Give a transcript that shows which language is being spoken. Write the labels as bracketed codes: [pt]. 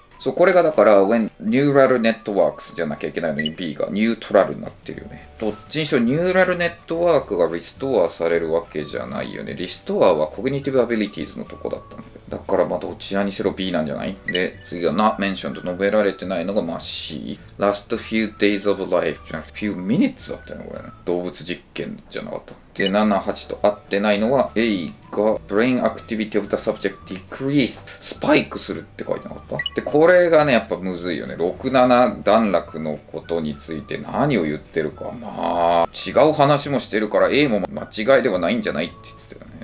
[ja] そう、これがだから、 [en] when neural networks [ja] じゃなきゃいけないのに B が neutral になってるよね。どっちにしろ、neural network が restore されるわけじゃないよね。 restore は [en] cognitive abilities [ja] のとこだったんだけど。だから、まあ、どちらにしろ B なんじゃない？で、次が not mentioned、述べられてないのがまあ C。 [en] last few days of life [ja] じゃなくて、 [en] few minutes だったよね、これね。 [ja] 動物実験じゃなかった。で、7、8と合ってないのは A が [en] brain activity of the subject decreased、 [ja] スパイクするって書いてなかった？で、これがね、やっぱむずいよね。6、7段落のことについて何を言ってるか。まあ、違う話もしてるから A も間違いではないんじゃないって言ってたよね。